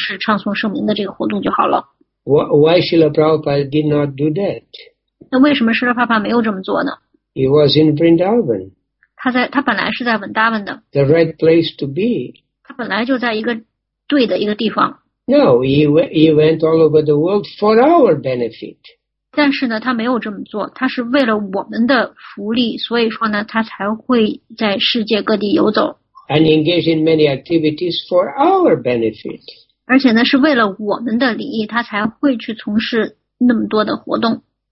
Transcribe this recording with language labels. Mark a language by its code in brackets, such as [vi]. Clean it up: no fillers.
[zh] 那从传统上来说呢，一位纯粹的奉献者，他只是把自己给置身在圣地，然后呢，在那个地方就只是去从事唱诵圣名的这个活动就好了。 [en] Why Srila Prabhupada did not do that? [zh] 那为什么Srila Prabhupada没有这么做呢？ [en] He was in Vrindavan. [zh] 他本来是在文达文的。 [en] The right place to be. [zh] 他本来就在一个对的一个地方。 [en] No, he went all over the world for our benefit. [zh] 但是呢，他没有这么做，他是为了我们的福利，所以说呢，他才会在世界各地游走。 [en] And engaged in many activities for our benefit. [zh] 而且呢，是为了我们的利益，他才会去从事那么多的活动。